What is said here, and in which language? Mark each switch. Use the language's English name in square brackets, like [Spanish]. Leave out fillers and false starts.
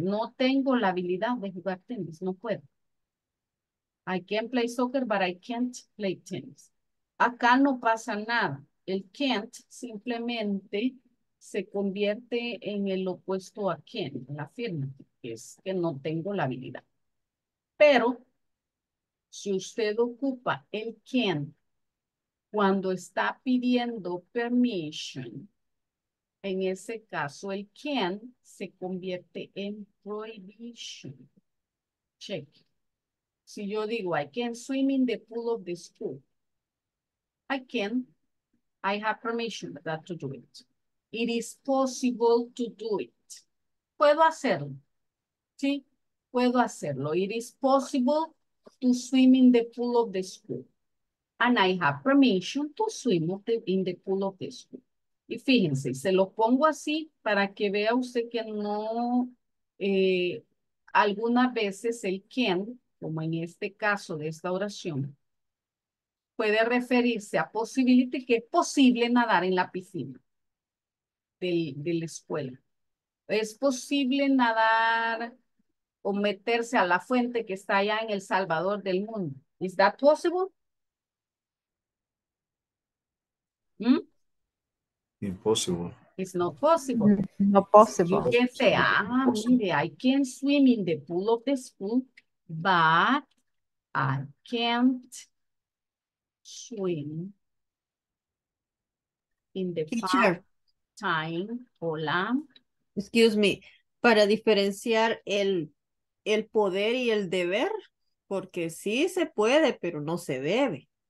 [Spanish] No tengo la habilidad de jugar tenis, no puedo. [English] I can play soccer, but I can't play tennis. [Spanish] Acá no pasa nada. El can't simplemente se convierte en el opuesto a can, la firma, que es que no tengo la habilidad. Pero si usted ocupa el can cuando está pidiendo permission, en ese caso el can se convierte en prohibition. [English] Check. Si yo digo, I can swim in the pool of the school, I can, I have permission to do it. It is possible to do it. Puedo hacerlo. Sí, puedo hacerlo. It is possible to swim in the pool of the school. And I have permission to swim in the pool of the school. [Spanish] Y fíjense, se lo pongo así para que vea usted que no, algunas veces el can, como en este caso de esta oración, puede referirse a possibility, que es posible nadar en la piscina de la escuela. Es posible nadar o meterse a la fuente que está allá en El Salvador del mundo. [English] Is that possible? ¿Mm? Impossible. It's not possible. No possible. Y que sea, mire, I can swim in the pool of the school, but I can't swim in the teacher. Time, hola. [Spanish] Excuse me, para diferenciar el poder y el deber, porque sí se puede, pero no se debe.